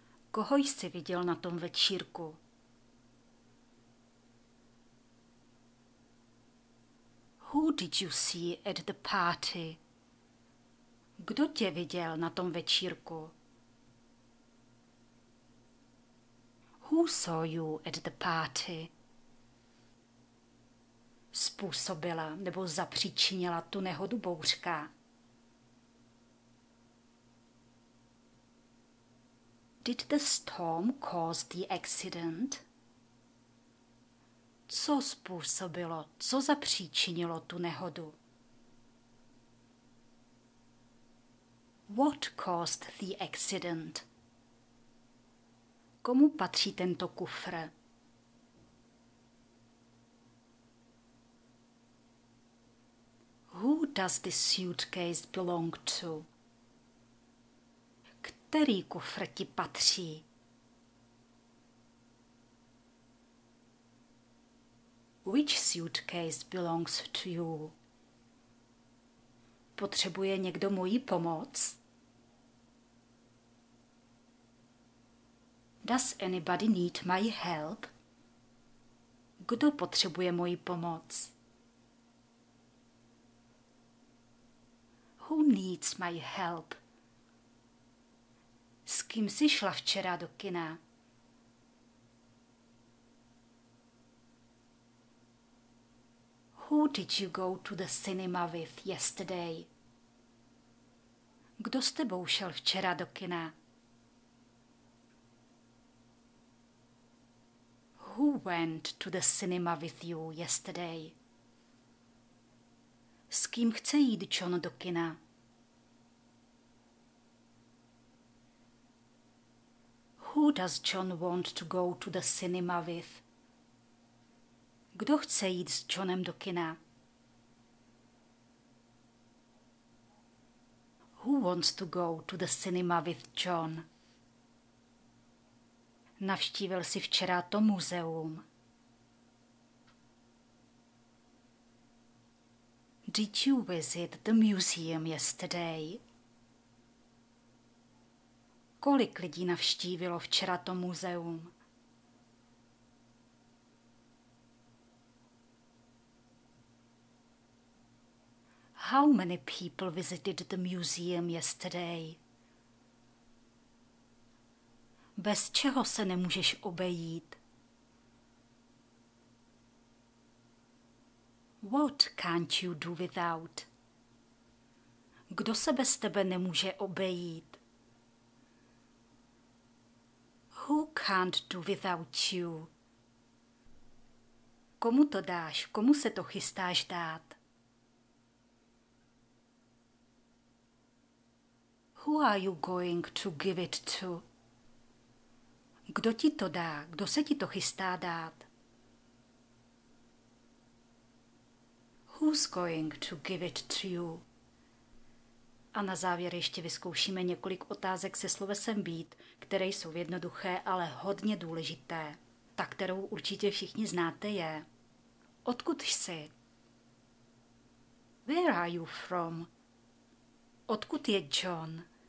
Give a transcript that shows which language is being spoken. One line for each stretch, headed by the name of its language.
Czech: Koho jsi viděl na tom večírku?
English: Who did you see at the party?
Czech: Kdo tě viděl na tom večírku?
English: Who saw you at the party?
Czech: Způsobila nebo zapříčinila tu nehodu bouřka?
English: Did the storm cause the accident?
Czech: Co způsobilo, co zapříčinilo tu nehodu?
English: What caused the accident?
Czech: Komu patří tento kufr?
English: Who does this suitcase belong to?
Czech: Který kufr ti patří?
English: Which suitcase belongs to you?
Czech: Potřebuje někdo moji pomoc?
English: Does anybody need my help?
Czech: Kdo potřebuje moji pomoc?
English: Who needs my help?
Czech: S kým jsi šla včera do kina?
English: Who did you go to the cinema with yesterday?
Czech: Kdo s tebou šel včera do kina?
English: Who went to the cinema with you yesterday?
Czech: S kým chce jít John do kina?
English: Who does John want to go to the cinema with?
Czech: Kdo chce jít s Johnem do kina?
English: Who wants to go to the cinema with John?
Czech: Navštívil jsi včera to muzeum.
English: Did you visit the museum yesterday?
Czech: Kolik lidí navštívilo včera to muzeum?
English: How many people visited the museum yesterday?
Czech: Bez čeho se nemůžeš obejít?
English: What can't you do without?
Czech: Kdo se bez tebe nemůže obejít?
English: Who can't do without you?
Czech: Komu to dáš? Komu se to chystáš dát?
English: Who are you going to give it to?
Czech: Kdo ti to dá? Kdo se ti to chystá dát?
English: Who's going to give it to you?
Czech: A na závěr ještě vyzkoušíme několik otázek se slovesem být, které jsou jednoduché, ale hodně důležité. Ta, kterou určitě všichni znáte, je: odkud jsi?
English: Where are you from?
Czech: Odkud je John?